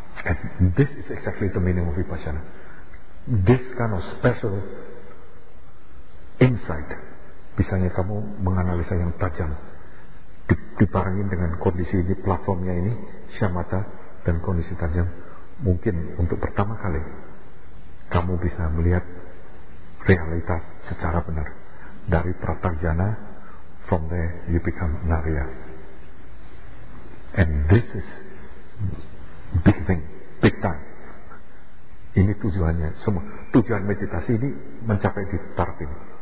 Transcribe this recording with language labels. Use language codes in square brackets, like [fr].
[en] And this is exactly the meaning of vipassana. This kind of special insight, [id] bisanya kamu menganalisa yang tajam, dibarengin dengan kondisi di platformnya ini, syamata dan kondisi tajam, mungkin untuk pertama kali kamu bisa melihat realitas secara benar. [en] Dari pratajana, from there you become narya. And this is big thing, big time. [id] Ini tujuannya semua. Tujuan meditasi ini mencapai di tahap ini.